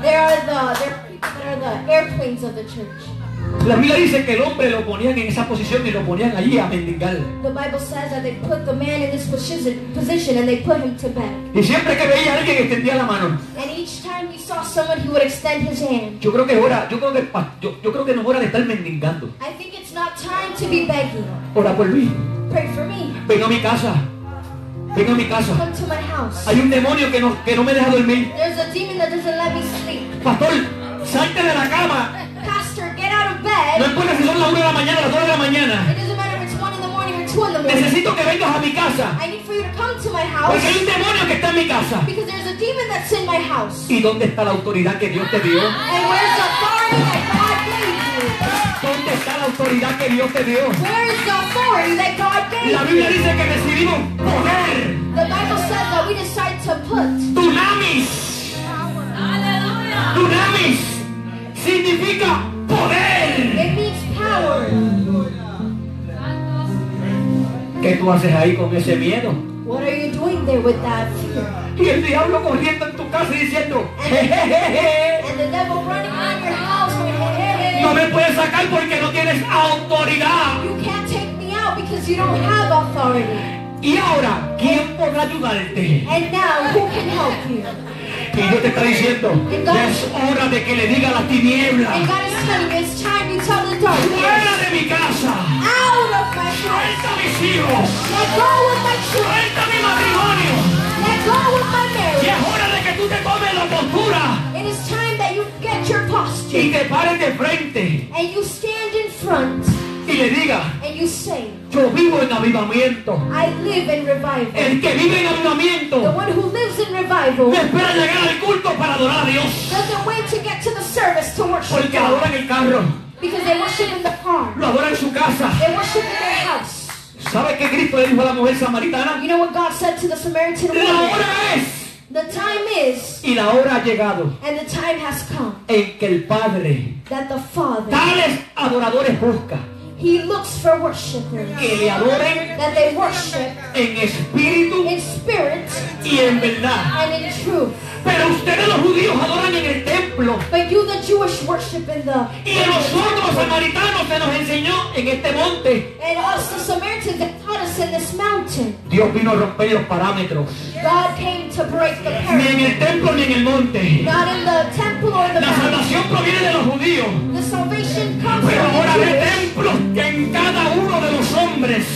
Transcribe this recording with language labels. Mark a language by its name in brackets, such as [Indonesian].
[English] They're people that are the airplanes of the church. [Spanish] La Biblia dice que el hombre lo ponían en esa posición y lo ponían allí a mendigar. [English] The Bible says that they put the man in this position and they put him to beg. [Spanish] Y siempre que veía a alguien extendía la mano. [English] And each time he saw someone, he would extend his hand. [Spanish] Yo creo que ahora, yo creo que no es hora de estar mendigando. [English] I think it's not time to be begging. [Spanish] Ora por mí. [English] Pray for me. [Spanish] Ven a mi casa. Ven a mi casa. [English] Come to my house. [Spanish] Hay un demonio que no me deja dormir. [English] There's a demon that doesn't let me sleep. [Spanish] Pastor, salte de la cama. [English] Pastor, get out of bed. [Spanish] No importa si son las 1 de la mañana o las 2 de la mañana. [English] It doesn't matter if it's 1 in the morning or 2 in the morning. [Spanish] Necesito que vengas a mi casa. [English] I need for you to come to my house. [Spanish] Porque hay un demonio que está en mi casa. [English] Because there's a demon that's in my house. [Spanish] ¿Y dónde está la autoridad que Dios te dio? [English] And where's the authority that God gave you? [Spanish] ¿Dónde está la autoridad que Dios te dio? [English] Where is the authority that God gave you? [Spanish] La Biblia dice que recibimos poder. [English] The Bible says that we decide to put. [Spanish] Dunamis. Aleluya. Dunamis significa poder. [English] It means power. [Spanish] ¿Qué tú haces ahí con ese miedo? [English] What are you doing there with that fear? [Spanish] Y el diablo corriendo en tu casa diciendo, [English] and the devil running on your house with [Spanish] no me puedes sacar porque no tienes autoridad. [English] You can't take me out because you don't have authority. [Spanish] Y ahora, ¿quién podrá ayudarte? [English] And now, who can help you? [Spanish] Y Dios te está diciendo, [English] God, [Spanish] ya es hora de que le diga a la tiniebla. [English] And God is telling you, it's time you tell the darkness. [Spanish] Fuera de mi casa. [English] Out of my house. [Spanish] Suelta mis hijos. [English] Let go with my children. [Spanish] Suelta mi matrimonio. [English] Let go with my marriage. [Spanish] Y es hora de que tú te tomes la postura. [English] It is time that you get your posture. [Spanish] Y te pares de frente. [English] And you stand in front. [Spanish] Y le diga. [English] And you say. [Spanish] Yo vivo en avivamiento. [English] I live in revival. [Spanish] El que vive en avivamiento. [English] The one who lives in revival. [Spanish] No espera llegar al culto para adorar a Dios. [English] Doesn't wait to get to the service to worship. [Spanish] Porque adora en el carro. [English] Because they worship in the car. [Spanish] Lo adora en su casa. [English] They worship in their house. [Spanish] ¿Sabe qué Cristo le dijo a la mujer samaritana? [English] You know what God said to the Samaritan woman? [Spanish] La hora es. [English] The time is. [Spanish] Y la hora ha llegado. [English] And the time has come. [Spanish] En que el Padre. [English] That the Father. [Spanish] Tales adoradores busca. [English] He looks for worshipers. [Spanish] Que le adoren. [English] That they worship. [Spanish] En espíritu. [English] In spirit. [Spanish] Y en verdad. [English] And in truth. [Spanish] Pero ustedes los judíos adoran en el templo. [English] But you the Jewish worship in the. [Spanish] Y a nosotros los samaritanos se nos enseñó en este monte. [English] And us the Samaritans that taught us in this mountain. [Spanish] Dios vino a romper los parámetros. [English] God came to break the parameters. [Spanish] Ni en el templo ni en el monte. [English] Not in the temple or the. [Spanish] La salvación proviene de los judíos. [English] The salvation comes. [Spanish] Pero ahora hay templos que en cada uno de los hombres.